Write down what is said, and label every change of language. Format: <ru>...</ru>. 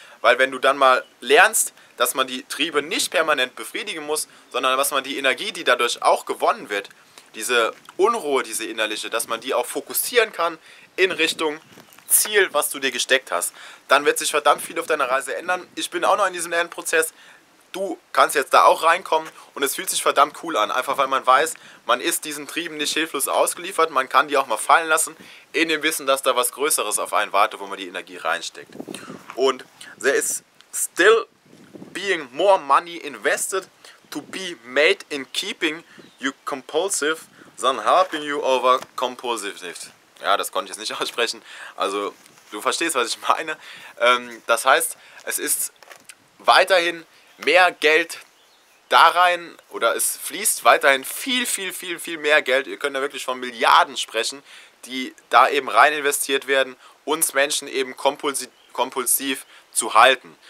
<de>Weil wenn du dann mal lernst, dass man die Triebe nicht permanent befriedigen muss, sondern dass man die Energie, die dadurch auch gewonnen wird, diese Unruhe, diese innerliche, dass man die auch fokussieren kann in Richtung Ziel, was du dir gesteckt hast, dann wird sich verdammt viel auf deiner Reise ändern. Ich bin auch noch in diesem Lernprozess. Du kannst jetzt da auch reinkommen und es fühlt sich verdammt cool an. Einfach weil man weiß, man ist diesen Trieben nicht hilflos ausgeliefert. Man kann die auch mal fallen lassen, in dem Wissen, dass da was Größeres auf einen wartet, wo man die Energie reinsteckt.</de> <en>Und there is still being more money invested to be made in keeping you compulsive than helping you over compulsiveness.</en> <de>Ja, das konnte ich jetzt nicht aussprechen. Also, du verstehst, was ich meine. Das heißt, es ist weiterhin mehr Geld da rein oder es fließt weiterhin viel, viel, viel, viel mehr Geld. Ihr könnt ja wirklich von Milliarden sprechen, die da eben rein investiert werden, uns Menschen eben kompulsiv zu halten.</de>